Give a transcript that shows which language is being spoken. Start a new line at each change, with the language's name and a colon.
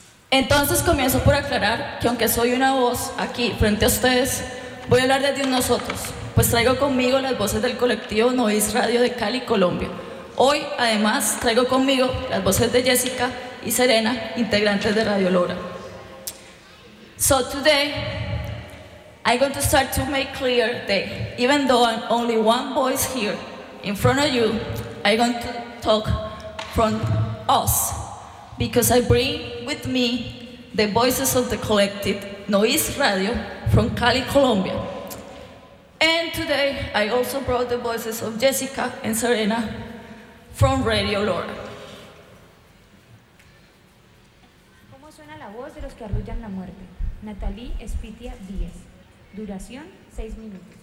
Spanish: Entonces comienzo por aclarar que aunque soy una voz aquí frente a ustedes, voy a hablar desde nosotros, pues traigo conmigo las voces del colectivo Novis Radio de Cali, Colombia. Hoy, además, traigo conmigo las voces de Jessica y Serena, integrantes de Radio Lora.
English: So today, I'm going to start to make clear that even though I'm only one voice here in front of you, I'm going to talk from us, because I bring with me the voices of the collective Novis Radio from Cali, Colombia. And today, I also brought the voices of Jessica and Serena from Radio Lora.
Spanish: ¿Cómo suena la voz de los que arrullan la muerte? Natalie Espitia Díez. Duración, 6 minutos.